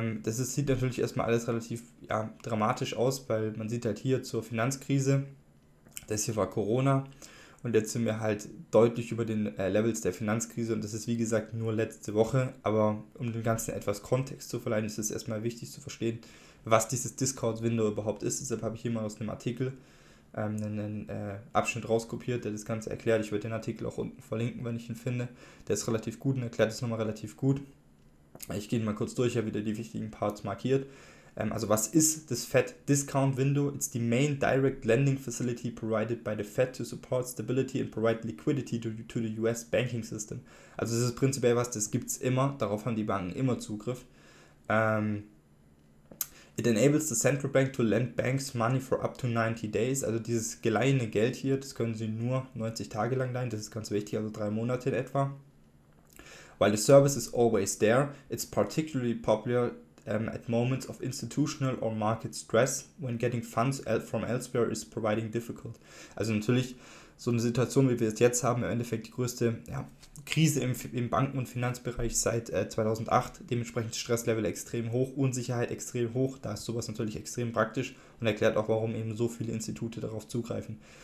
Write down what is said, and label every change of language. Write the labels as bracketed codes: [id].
[de] Sieht natürlich erstmal alles relativ dramatisch aus, weil man sieht halt hier zur Finanzkrise, das hier war Corona, und jetzt sind wir halt deutlich über den Levels der Finanzkrise, und das ist wie gesagt nur letzte Woche, aber um dem Ganzen etwas Kontext zu verleihen, ist es erstmal wichtig zu verstehen, was dieses Discount-Window überhaupt ist. Deshalb habe ich hier mal aus einem Artikel einen Abschnitt rauskopiert, der das Ganze erklärt. Ich werde den Artikel auch unten verlinken, wenn ich ihn finde. Der ist relativ gut und erklärt es nochmal relativ gut. Ich gehe mal kurz durch, ich habe wieder die wichtigen Parts markiert. Also was ist das Fed Discount Window? [en] It's the main direct lending facility provided by the Fed to support stability and provide liquidity to the US banking system. [de] Also das ist prinzipiell was, das gibt es immer. Darauf haben die Banken immer Zugriff. [en] It enables the central bank to lend banks money for up to 90 days. [de] Also dieses geleihene Geld hier, das können sie nur 90 Tage lang leihen. Das ist ganz wichtig, also 3 Monate in etwa. [en] While the service is always there, it's particularly popular at moments of institutional or market stress when getting funds from elsewhere is providing difficult. [de] Also natürlich so eine Situation, wie wir es jetzt haben, im Endeffekt die größte Krise im Banken- und Finanzbereich seit 2008, dementsprechend Stresslevel extrem hoch, Unsicherheit extrem hoch, da ist sowas natürlich extrem praktisch und erklärt auch, warum eben so viele Institute darauf zugreifen.